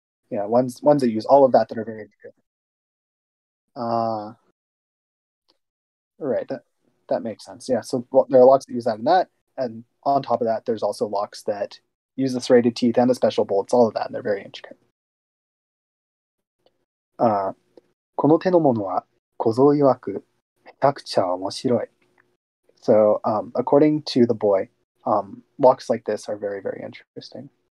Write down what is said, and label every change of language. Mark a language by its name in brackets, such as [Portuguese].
[English] Yeah, ones that use all of that that are very good. Right, that makes sense. Yeah, so there are locks that use that and that, and on top of that, there's also locks that use the serrated teeth and the special bolts, all of that, and they're very intricate. [Japanese] この手のものは小僧曰くめちゃくちゃ面白い。 [English] So, according to the boy, locks like this are very, very interesting.